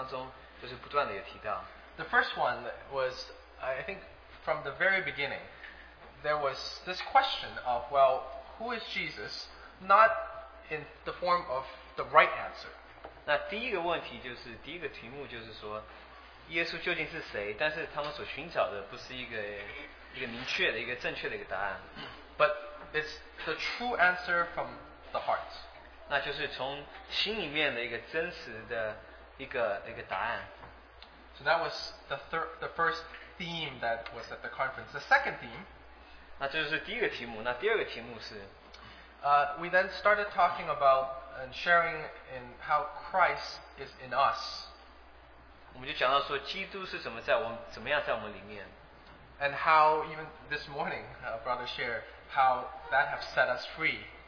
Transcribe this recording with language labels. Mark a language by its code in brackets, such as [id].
[zh] 那我就大概就讲一个，讲到三个题目，就是在这一周当中，就是不断的有提到。The [en] first one was, I think, from the very beginning, there was this question of, well, who is Jesus? Not in the form of the right answer. [zh] 那第一个问题就是，第一个题目就是说，耶稣究竟是谁？但是他们所寻找的不是一个明确的、一个正确的一个答案。But [en] it's the true answer from the heart. [zh] 那就是从心里面的一个真实的一个答案。So [en] that was the first theme that was at the conference. The second theme. [zh] 那就是第一个题目。那第二个题目是, [en] we then started talking about and sharing in how Christ is in us. [zh] 我们就讲到说基督是怎么样在我们里面。And [en] how even this morning, brother shared how that has set us free.